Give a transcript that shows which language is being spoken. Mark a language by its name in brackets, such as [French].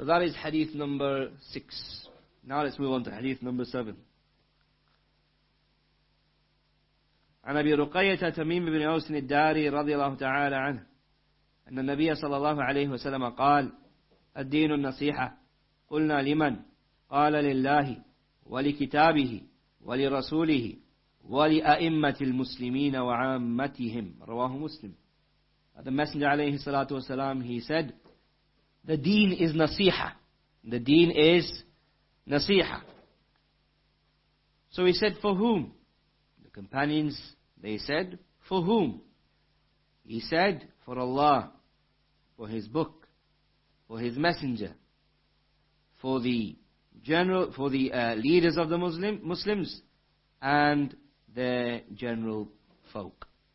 [English] So that is hadith number 6. Now let's move on to hadith number 7. [Arabic] عن أبي رقية تميم بن أوس الداري رضي الله تعالى عنه أن النبي صلى الله عليه وسلم قال الدين النصيحة قلنا لمن؟ قال لله ولكتابه ولرسوله ولأئمة المسلمين وعامتهم رواه مسلم. [English] The Messenger عليه الصلاة والسلام, he said, the deen is nasiha. The deen is nasiha. So he said, for whom? The companions, they said, for whom? He said, for Allah, for His book, for His messenger, for the general, for the leaders of the Muslims, and their general folk.